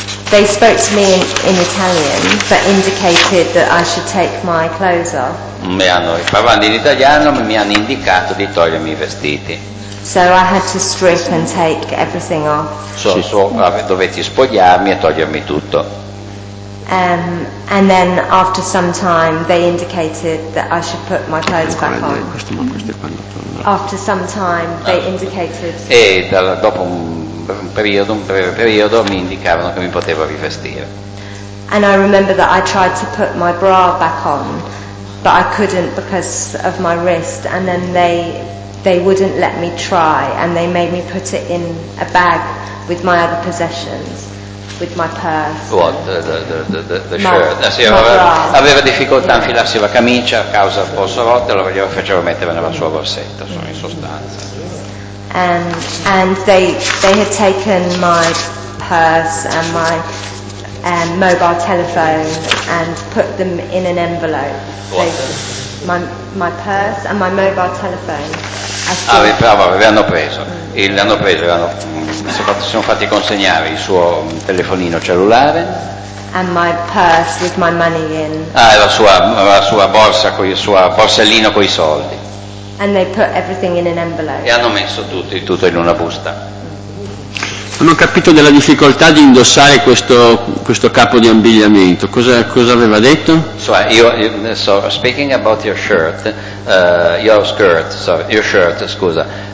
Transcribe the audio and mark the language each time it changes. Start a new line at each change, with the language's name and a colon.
English: They spoke to me in Italian, but indicated that I should take my clothes off.
Italian: Mi hanno parlato in italiano, ma mi hanno indicato di togliermi i vestiti.
English: So I had to strip and take everything off.
Italian: Dovetti spogliarmi e togliermi tutto.
English: And then after some time, they indicated that I should put my clothes back on. After some time, they indicated.
Italian: E dopo un breve periodo mi indicavano che mi potevo rivestire.
English: And I remember that I tried to put my bra back on, but I couldn't because of my wrist, and then they wouldn't let me try, and they made me put it in a bag with my other possessions, with my purse. What? The shirt?
Italian: Aveva difficoltà a infilarsi la camicia a causa del polso rotto, allora glielo facevo mettere nella sua borsetta, in sostanza.
English: And they had taken my purse and my mobile telephone and put them in an envelope. My purse and my mobile telephone.
Italian: Sono fatti consegnare il suo telefonino cellulare.
English: And my purse with my money in.
Italian: La sua borsa con il suo borsellino con i soldi.
English: And they put everything in an envelope.
Italian: E hanno messo tutto in una busta. Non ho capito della difficoltà di indossare questo capo di abbigliamento. Cosa aveva detto?
English: So speaking about your shirt, your skirt, sorry, your shirt,
Italian: scusa.